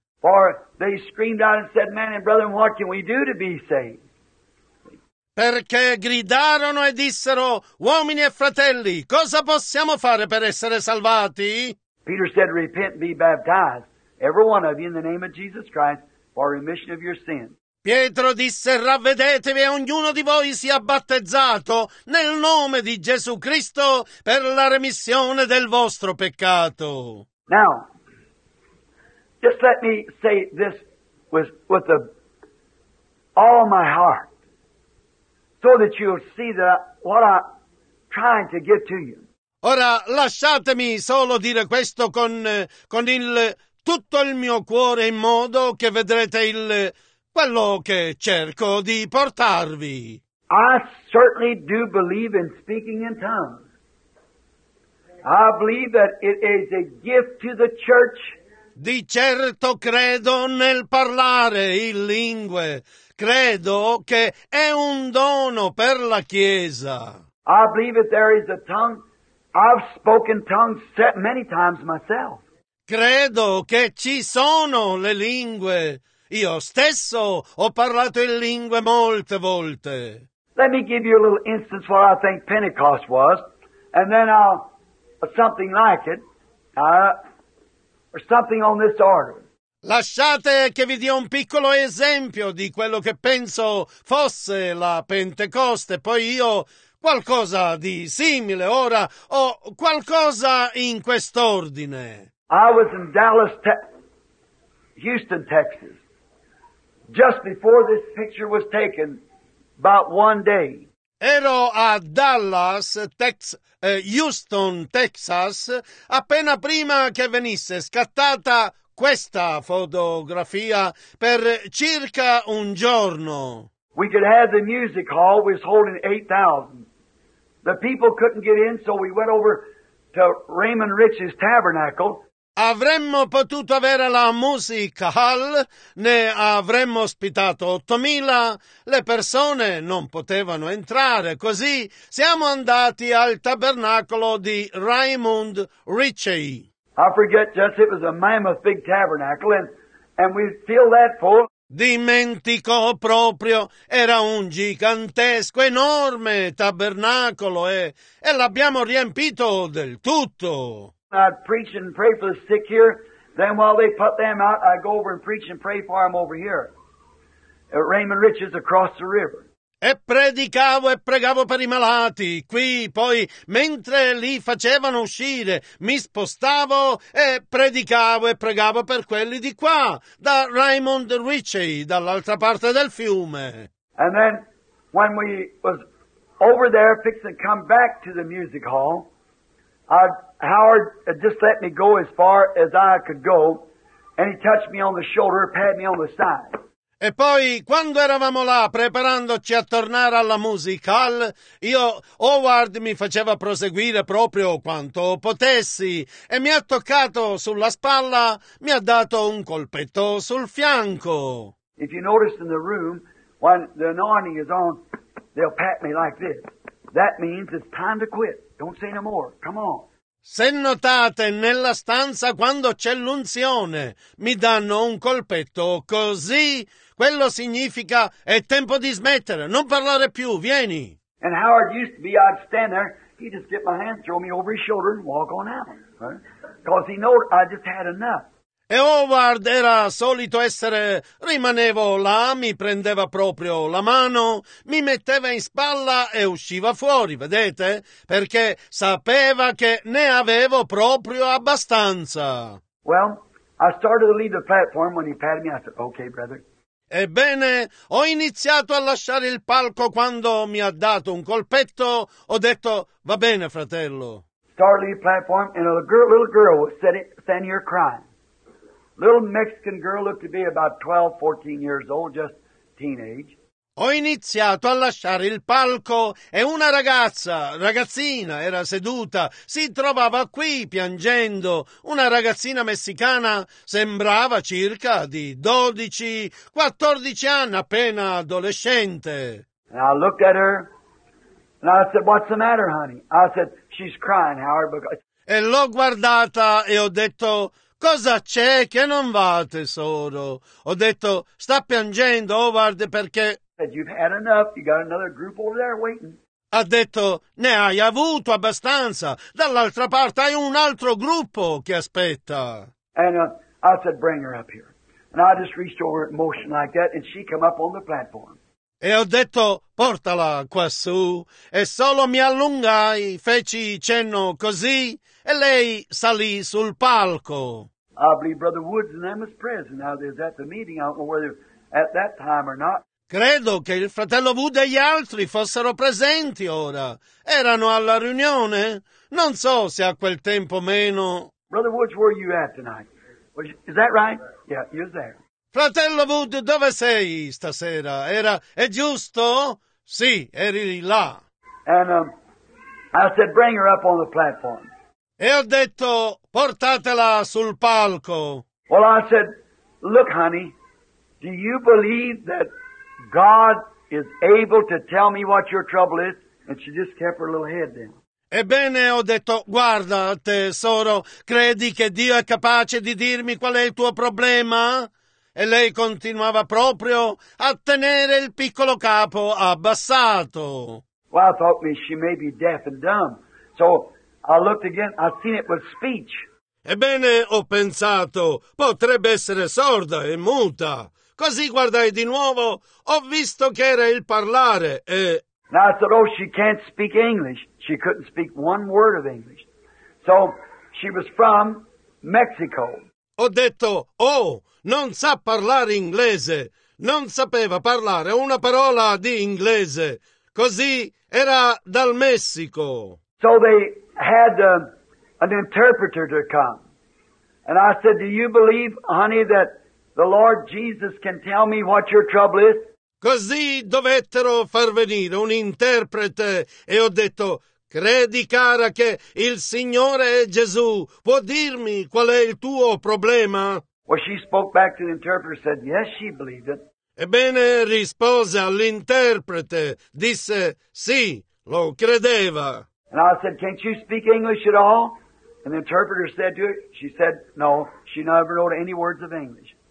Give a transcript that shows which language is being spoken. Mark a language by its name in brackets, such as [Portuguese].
[English] For they screamed out and said, "Man and brethren, what can we do to be saved?" [Italian] Perché gridarono e dissero, "Uomini e fratelli, cosa possiamo fare per essere salvati?" [English] Peter said, "Repent and be baptized, every one of you, in the name of Jesus Christ, for remission of your sins." [Italian] Pietro disse, ravvedetevi e ognuno di voi sia battezzato nel nome di Gesù Cristo per la remissione del vostro peccato. [English] Now, just let me say this with all my heart, so that you'll see that what I'm trying to give to you. [Italian] Ora, lasciatemi solo dire questo con il tutto il mio cuore, in modo che vedrete il... quello che cerco di portarvi. [English] I certainly do believe in speaking in tongues. I believe that it is a gift to the church. [Italian] Di certo credo nel parlare in lingue. Credo che è un dono per la Chiesa. [English] I believe that there is a tongue. I've spoken tongues many times myself. [Italian] Credo che ci sono le lingue. Io stesso ho parlato in lingue molte volte. [English] Let me give you a little instance what I think Pentecost was, and then something like it, or something on this order. [Italian] Lasciate che vi dia un piccolo esempio di quello che penso fosse la Pentecoste, poi io qualcosa di simile ora, o qualcosa in quest'ordine. [English] I was in Dallas, Houston, Texas. Just before this picture was taken, about one day. [Italian] Ero a Dallas, Houston, Texas, appena prima che venisse scattata questa fotografia, per circa un giorno. [English] We could have the music hall, we was holding 8,000. The people couldn't get in, so we went over to Raymond Rich's tabernacle. [Italian] Avremmo potuto avere la music hall, ne avremmo ospitato 8,000, le persone non potevano entrare, così siamo andati al tabernacolo di Raymond Ritchey. [English] I forget just it was a mammoth big tabernacle and we filled that full. [Italian] Dimentico proprio, era un gigantesco, enorme tabernacolo e l'abbiamo riempito del tutto. [English] I'd preach and pray for the sick here. Then while they put them out, I'd go over and preach and pray for them over here. At Raymond Rich's across the river. [Italian] E predicavo e pregavo per i malati qui. Poi, mentre li facevano uscire, mi spostavo e predicavo e pregavo per quelli di qua, da Raymond Ritchey, dall'altra parte del fiume. [English] And then, when we was over there, fixing to come back to the music hall, Howard just let me go as far as I could go, and he touched me on the shoulder, pat me on the side. [Italian] E poi, quando eravamo là, preparandoci a tornare alla music hall, io, Howard mi faceva proseguire proprio quanto potessi, e mi ha toccato sulla spalla, mi ha dato un colpetto sul fianco. [English] If you notice in the room, when the anointing is on, they'll pat me like this. That means it's time to quit. Don't say no more. Come on. [Italian] Se notate, nella stanza, quando c'è l'unzione, mi danno un colpetto così, quello significa è tempo di smettere, non parlare più, vieni. [English] And how it used to be, I'd stand there, he'd just get my hand, throw me over his shoulder and walk on out. Because he knew I just had enough. [Italian] E Howard era solito essere, rimanevo là, mi prendeva proprio la mano, mi metteva in spalla e usciva fuori, vedete? Perché sapeva che ne avevo proprio abbastanza. [English] Well, I started to leave the platform when he patted me, I said, okay, brother. [Italian] Ebbene, ho iniziato a lasciare il palco quando mi ha dato un colpetto, ho detto, va bene, fratello. [English] Started to leave the platform and a little girl was standing here crying. Little Mexican girl looked to be about 12-14 years old, just teenage. [Italian] Ho iniziato a lasciare il palco e una ragazzina era seduta, si trovava qui piangendo, una ragazzina messicana, sembrava circa di 12-14 anni, appena adolescente. [English] And I looked at her and I said, "What's the matter, honey?" I said, "She's crying, Howard, because..." [Italian] E l'ho guardata e ho detto, cosa c'è che non va, tesoro? Ho detto, sta piangendo, Howard, perché... [English] You've had enough. You got another group over there waiting. [Italian] Ha detto, ne hai avuto abbastanza. Dall'altra parte hai un altro gruppo che aspetta. [English] And I said, bring her up here. And I just reached over in motion like that, and she came up on the platform. [Italian] E ho detto, portala quassù. E solo mi allungai, feci cenno così, e lei salì sul palco. [English] I believe Brother Woods and them is present. Now there's at the meeting, I don't know whether at that time or not. [Italian] Credo che il fratello Wood e gli altri fossero presenti ora. Erano alla riunione? Non so se a quel tempo meno. [English] Brother Woods, where are you at tonight? Is that right? Yeah, you're there. [Italian] Fratello Wood, dove sei stasera? Era, è giusto? Sì, eri là. [English] And I said, bring her up on the platform. [Italian] E ho detto, portatela sul palco. [English] Well, I said, look, honey, do you believe that God is able to tell me what your trouble is? And she just kept her little head down. [Italian] Ebbene, ho detto, guarda, tesoro, credi che Dio è capace di dirmi qual è il tuo problema? E lei continuava proprio a tenere il piccolo capo abbassato. [English] Well, I thought she may be deaf and dumb. So I looked again, I seen it was speech. [Italian] Ebbene, ho pensato, potrebbe essere sorda e muta. Così guardai di nuovo, ho visto che era il parlare e... [English] Now I said, oh, she can't speak English. She couldn't speak one word of English. So she was from Mexico. [Italian] Ho detto, oh, non sa parlare inglese. Non sapeva parlare una parola di inglese. Così era dal Messico. [English] So they had an interpreter to come. And I said, do you believe, honey, that the Lord Jesus can tell me what your trouble is? [Italian] Così dovettero far venire un interprete e ho detto, credi, cara, che il Signore Gesù può dirmi qual è il tuo problema? [English] Well, she spoke back to the interpreter and said, yes, she believed it. [Italian] Ebbene, rispose all'interprete, disse, sì, lo credeva. [English] And I said, can't you speak English at all? And the interpreter said to her, she said, no, she never wrote any words of English.